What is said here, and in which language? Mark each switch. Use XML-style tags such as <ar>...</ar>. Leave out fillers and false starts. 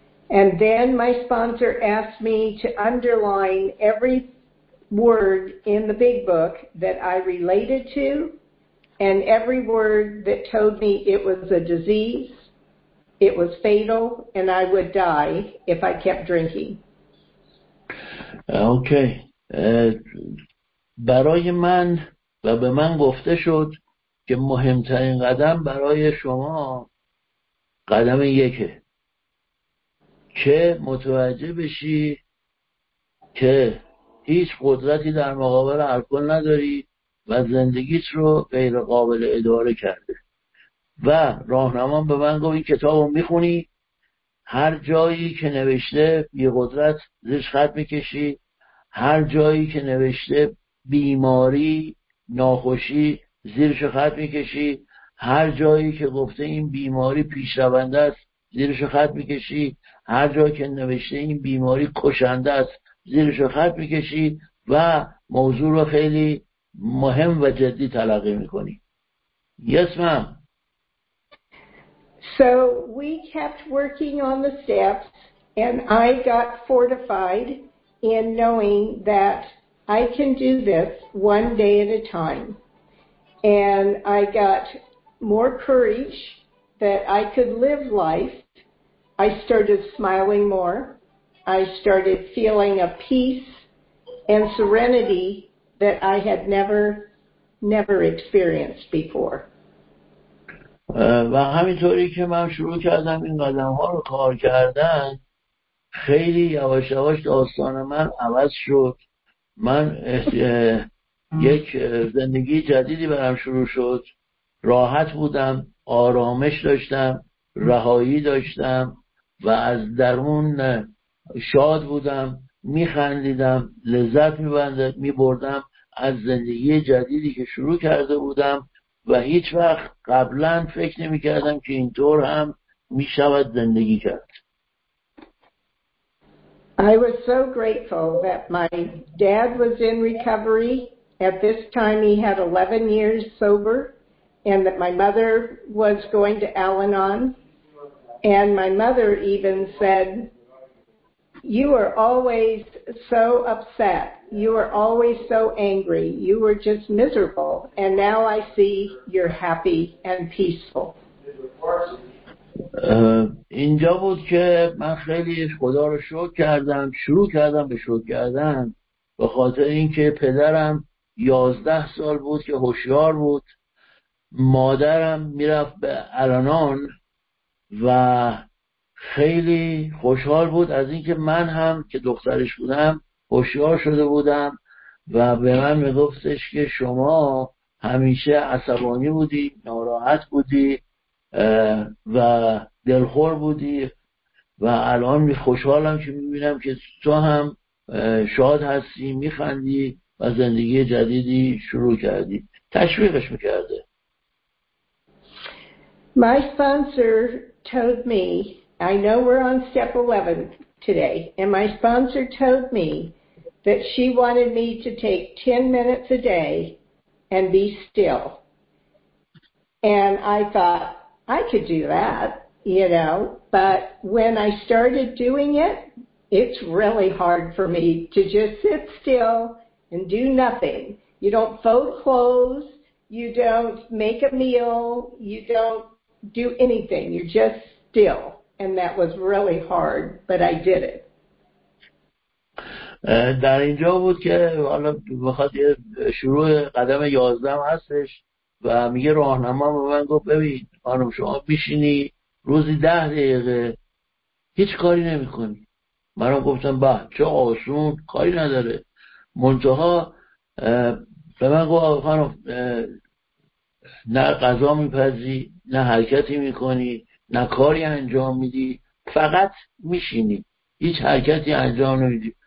<en>And then my sponsor asked me to underline every word in the big book that I related to and every word that told me it was a disease, it was fatal, and I would die if I kept drinking. Okay.</en> <fa>برای من و به من گفته شد که مهمترین قدم برای شما قدم یکه که متوجه بشی که هیچ قدرتی در مقابل الکل نداری و زندگیت رو غیر قابل اداره کرده. و راهنمان به من گفت این کتاب رو میخونی، هر جایی که نوشته بی قدرت زیرش خط میکشی، هر جایی که نوشته بیماری ناخوشی زیرش خط میکشی، هر جایی که گفته این بیماری پیشرونده است زیرش خط میکشی، هر جایی که نوشته این بیماری کشنده است زیرش خط میکشی و موضوع رو خیلی مهم و جدی تلقی میکنی.</fa> <en>Yes, ma'am. So we kept working on the steps and I got fortified in knowing that I can do this one day at a time. And I got more courage that I could live life. I started smiling more. I started feeling a peace and serenity that I had never experienced before.</en> <fa>و همینطوری که من شروع کردم این قدم ها رو کار کردن، خیلی یواش یواش داستان من عوض شد. من یک زندگی جدیدی برام شروع شد. راحت بودم، آرامش داشتم، رهایی داشتم و از درون شاد بودم، میخندیدم، لذت میبردم از زندگی جدیدی که شروع کرده بودم و هیچ وقت قبلا فکر نمی کردم که اینطور هم می شود زندگی کرد. I was so grateful that my dad was in recovery. At this time he had 11 years sober and that my mother was going to Al-Anon. And my mother even said, you are always so upset. You are always so angry. You were just miserable. And now I see you're happy and peaceful. اینجا بود که من خیلی خدا رو شکر کردم، شروع کردم به شکر کردن، به خاطر اینکه پدرم 11 سال بود که هوشیار بود، مادرم میرفت به الانان و خیلی خوشحال بود از اینکه من هم که دخترش بودم هوشیار شده بودم و به من میگفتش که شما همیشه عصبانی بودی، ناراحت بودی و دلخور بودی و الان خوشحالم که میبینم که تو هم شاد هستی، میخندی و زندگی جدیدی شروع کردی. تشویقش میکرده.</fa> <en>My sponsor told me, I know we're on step 11 today, and my sponsor told me that she wanted me to take 10 minutes a day and be still. And I thought, I could do that, you know, but when I started doing it, it's really hard for me to just sit still and do nothing. You don't fold clothes, you don't make a meal, you don't do anything, you're just still. And that was really hard, but I did it.</en> <fa>در اینجا بود که حالا بخواد یه شروع قدم 11 هستش و میگه راهنما به من گفت ببین خانم شما میشینی روزی 10 دقیقه هیچ کاری نمی کنی. منم گفتم به چه آسون، کاری نداره. منتها به من گفت خانم نه غذا میپذی، نه حرکتی میکنی، نه کاری انجام میدی، فقط میشینی، هیچ حرکتی انجام نمیدی.</fa>